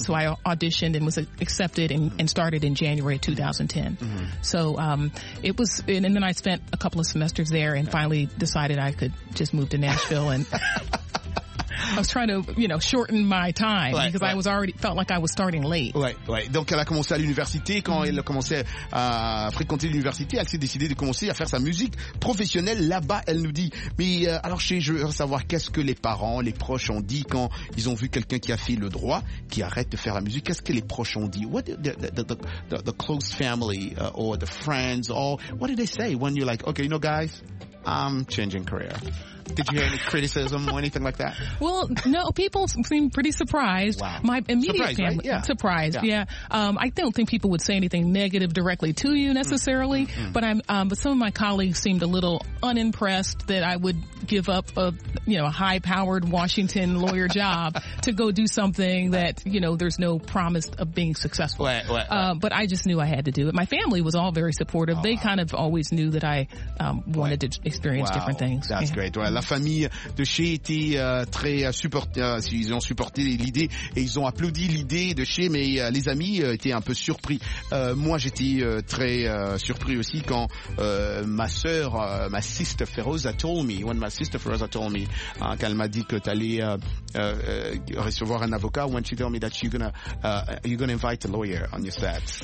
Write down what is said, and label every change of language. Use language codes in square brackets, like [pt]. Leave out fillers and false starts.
[en] So I auditioned and was accepted and started in January 2010. Mm-hmm. So it was, and then I spent a couple of semesters there and finally decided I could just move to Nashville. And I was trying to, you know, shorten my time because I was already felt like I was starting late. Right. [fr] Donc elle a commencé à l'université quand mm-hmm. elle a commencé à fréquenter l'université, elle s'est décidée de commencer à faire sa musique professionnelle là-bas. Elle nous dit, mais alors Shay, je veux savoir qu'est-ce que les parents, les proches ont dit quand ils ont vu quelqu'un qui a fait le droit, qui arrête de faire la musique. Qu'est-ce que les proches ont dit? [en] What did the close family or the friends or what did they say when you're like, okay, you know, guys, I'm changing career. Did you hear any criticism or anything like that? Well, no, people seem pretty surprised. Wow. My immediate surprised, family, right? Yeah. Surprised, yeah. I don't think people would say anything negative directly to you necessarily, mm-hmm. but some of my colleagues seemed a little unimpressed that I would give up a high-powered Washington lawyer job to go do something that, you know, there's no promise of being successful. Right. But I just knew I had to do it. My family was all very supportive. Oh, they kind of always knew that I wanted to experience different things. That's great. [fr] Ouais, la famille de Shay était très supportée, ils ont supporté l'idée et ils ont applaudi l'idée de Shay, mais les amis étaient un peu surpris. Moi j'étais très surpris aussi quand ma [en] sister Feroza told me [fr] quand elle m'a dit que t'allais recevoir un avocat, [en] when she told me that you're gonna invite a lawyer on your set.